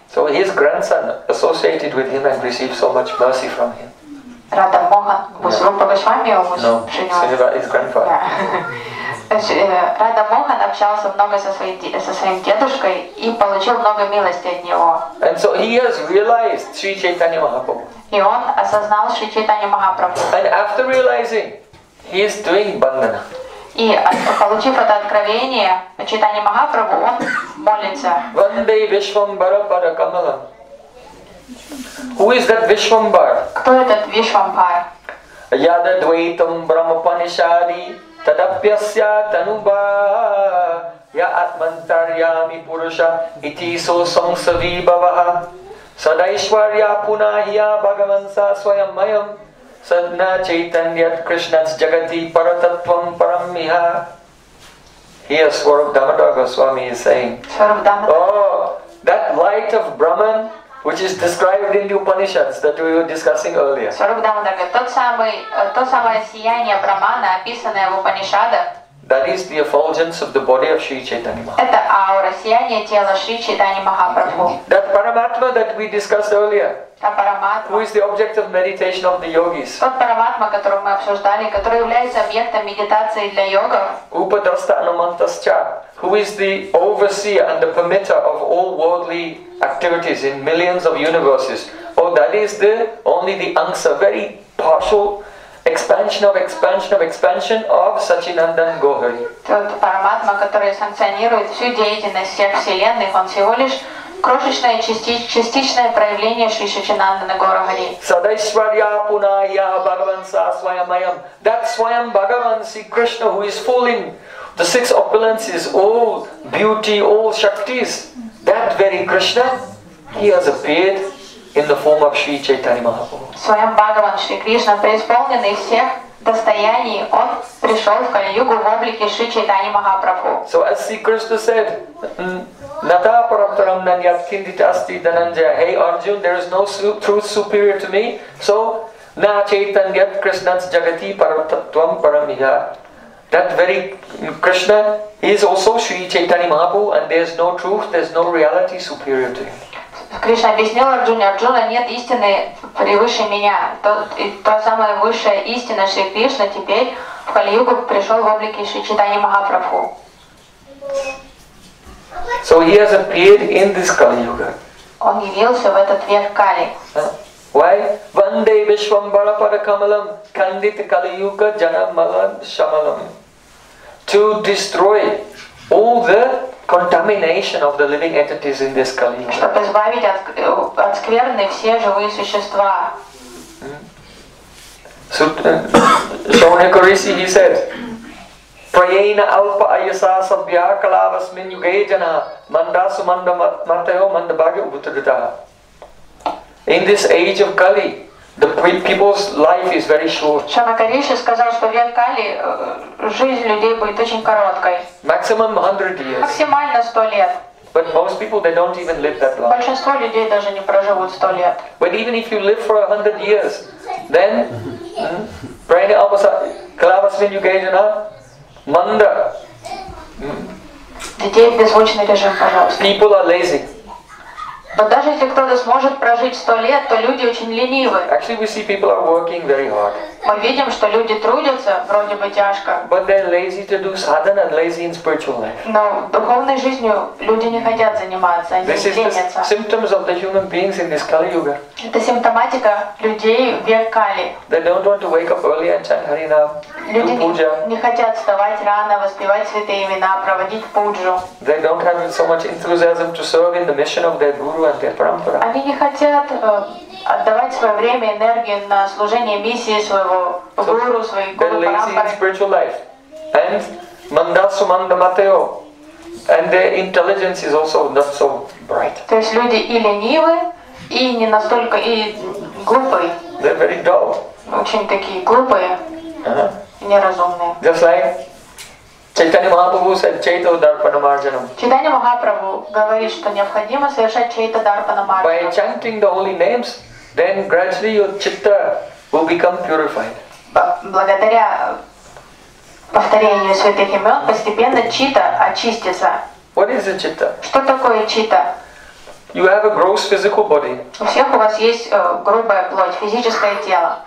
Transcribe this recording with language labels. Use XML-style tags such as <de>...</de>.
<en>So his grandson associated with him and received so much mercy from him. Radha Mohan was Rupa Goswami or was Srinivas? His grandfather.</en> <ru>Radha Mohan общался много со своим дедушкой и получил много милости от него.</ru> <en>And so he has realized Sri Chaitanya Mahaprabhu.</en> <ru>И он осознал Шри Чайтанья Махапрабху.</ru> <en>And after realizing, he is doing bandana.</en> <ru>И получив это откровение, Чайтанья Махапрабху, он молится.</ru> <sa>Ванде Вишвамбара Пара Камала.</sa> <en>Who is that Vishwambar?</en> <ru>Кто этот Вишвамбар?</ru> <sa>Яда Двайтам Брахмапанишади. Tadapyasya tanuba ya atmantaryami purusha iti so samsavi bhavaha sadaishwarya punahya bhagavansa swayamayam sadna chaitanyat krishnas jagati paratattvam paramiha.</sa> <en>Here Swarup Damodara Goswami is saying, oh, that light of Brahman which is described in the Upanishads that we were discussing earlier.</en> <ru>Swarup Damodara, то самое сияние Брахмана, описанное в Упанишадах.</ru> <en>That is the effulgence of the body of Sri Chaitanya Mahaprabhu.</en> <ru>Это аура, сияние тела Шри Чайтаньи Махапрабху.</ru> <en>That Paramatma that we discussed earlier.</en> <ru>Та Параматма.</ru> <en>Who is the object of meditation of the yogis?</en> <ru>Тот Параматма, которого мы обсуждали, который является объектом медитации для йогов.</ru> <sa>Упадраста Анумантасча.</sa> <en>Who is the overseer and the permitter of all worldly activities in millions of universes? Oh, that is the only the Ansa, very partial expansion of Sachinandan Gohari.</en> <ru>Тот Параматма, который санкционирует всю деятельность всех вселенных, он всего лишь крошечное частичное проявление Шри Сачинандана Гохари.</ru> <sa>Садайшварья пунайя Бхагаван са свайамайам.</sa> <en>That Swayam Bhagavan, see Krishna, who is full in the six opulences, all beauty, all shaktis, that very Krishna, he has appeared in the form of Sri Chaitanya Mahaprabhu.</en> <ru>Swayam Bhagavan Sri Krishna, преисполненный всех достояний, он пришел в Кали-Югу в облике Шри Чайтаньи Махапрабху.</ru> <en>So as Sri Krishna said,</en> <sa>Натапараптарам наньят киндитасти дананджая.</sa> <en>Hey Arjun, there is no truth superior to me.</en> <sa>So, на чайтаньят Кришнац джагати параттаттвам парамиха.</sa> <en>That very Krishna is also Sri Chaitanya Mahaprabhu, and there is no truth, there is no reality superior to him.</en> <ru>Кришна объяснил Арджуне, Арджуна, нет истины превыше меня. Та самая высшая истина Шри Кришна теперь в Кали-Югу пришел в облике Шри Чайтаньи Махапрабху.</ru> <en>So he has appeared in this Kali-Yuga.</en> <ru>Он явился в этот век Кали.</ru> <sa>Why? Vande Vishwambara Pada Kamalam Kandit Kali-Yuga Janamalam Shamalam.</sa> <en>To destroy all the contamination of the living entities in this Kali-Yuga.</en> <ru>Чтобы избавить от скверны все живые существа.</ru> <sa>Shauna Karisi,</sa> <en>he said,</en> <sa>Prayena Alpa Ayasa Sabhya Kalavasmin Yuge Jana Mandasu Manda Matayo Manda Bhagya Ubutadita.</sa> <en>In this age of Kali, the people's life is very short.</en> <ru>Шанакариша сказал, что в век Кали жизнь людей будет очень короткой.</ru> <en>Maximum 100 years.</en> <ru>Максимально 100 лет.</ru> <en>But most people, they don't even live that long.</en> <ru>Большинство людей даже не проживут 100 лет.</ru> <en>But even if you live for 100 years, then</en> <sa>Prayena Alpa Kalavasmin Yuge Jana Manda.</sa> <ru>Детей в беззвучный режим, пожалуйста.</ru> <en>People are lazy.</en> <ru>Но даже если кто-то сможет прожить 100 лет, то люди очень ленивы.</ru> <en>Actually, we see people are working very hard.</en> <ru>Мы видим, что люди трудятся, вроде бы тяжко.</ru> <en>But they're lazy to do sadhana and lazy in spiritual life.</en> <ru>Но духовной жизнью люди не хотят заниматься, они ленятся.</ru> <en>This is the symptoms of the human beings in this Kali-Yuga.</en> <ru>Это симптоматика людей в век Кали.</ru> <en>They don't want to wake up early and chant Harinam, do puja.</en> <ru>Люди не хотят вставать рано, воспевать святые имена, проводить пуджу.</ru> <en>They don't have so much enthusiasm to serve in the mission of their guru and their parampara.</en> <ru>Они не хотят отдавать свое время, энергию на служение миссии своего гуру, своей гуру, парампары.</ru> <en>They're lazy in spiritual life. and</en> <sa>Mandasu Manda Mateo.</sa> <en>And their intelligence is also not so bright.</en> <ru>То есть люди и ленивы, и не настолько и глупые.</ru> <en>They're very dull.</en> <ru>Очень такие глупые. Uh-huh. И неразумные.</ru> <en>Just like Chaitanya Mahaprabhu said,</en> <sa>Chaita Dharpana Marjanam.</sa> <ru>Chaitanya Mahaprabhu говорит, что необходимо совершать</ru> <sa>Chaita Dharpana Marjanam.</sa> <en>By chanting the holy names, then gradually your chitta will become purified.</en> <ru>Благодаря повторению святых имен постепенно чита очистится.</ru> <en>What is a chitta?</en> <ru>Что такое чита?</ru> <en>You have a gross physical body.</en> <ru>У всех у вас есть грубая плоть, физическое тело.</ru>